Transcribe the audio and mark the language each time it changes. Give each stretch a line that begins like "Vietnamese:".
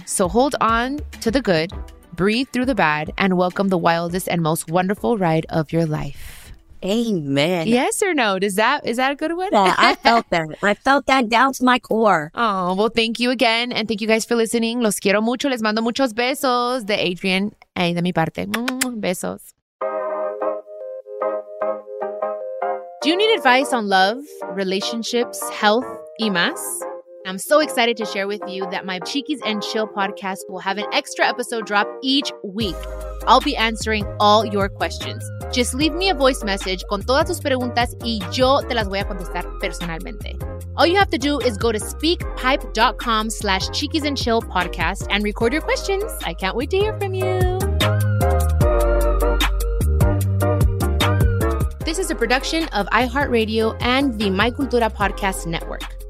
English: So hold on to the good, breathe through the bad, and welcome the wildest and most wonderful ride of your life. Amen. Yes or no? Is that a good one? Yeah, I felt that. I felt that down to my core. Oh, well, thank you again. And thank you guys for listening.
Spanish: Los quiero mucho. Les mando muchos besos de Adrian y de mi parte. Besos.
English: Do you need advice on love, relationships, health, y más? I'm so excited to share with you that my Chiquis and Chill podcast will have an extra episode drop each week. I'll be answering all your questions.
Spanish: Just leave me a voice message con todas tus preguntas y yo te las voy a contestar personalmente.
English: All you have to do is go to speakpipe.com/Chiquis and Chill podcast and record your questions. I can't wait to hear from you. This is a production of iHeartRadio and the My Cultura Podcast Network.